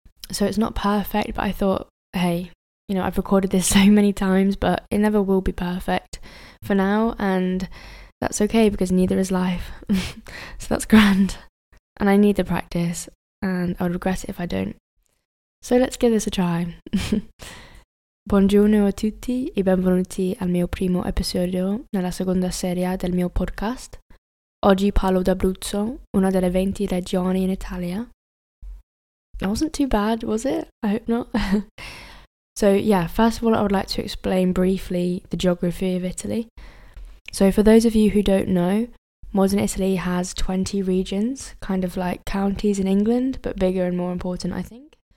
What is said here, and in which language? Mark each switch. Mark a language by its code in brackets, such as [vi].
[en] So it's not perfect, but I thought, hey, you know, I've recorded this so many times, but it never will be perfect for now. And that's okay because neither is life. So that's grand. And I need the practice and I would regret it if I don't. So let's give this a try. [it] Buongiorno a tutti e benvenuti al mio primo episodio nella seconda serie del mio podcast. Oggi parlo d'Abruzzo, una delle 20 regioni in Italia. [en] That wasn't too bad, was it? I hope not. So yeah, first of all, I would like to explain briefly the geography of Italy. So for those of you who don't know, modern Italy has 20 regions, kind of like counties in England, but bigger and more important, I think.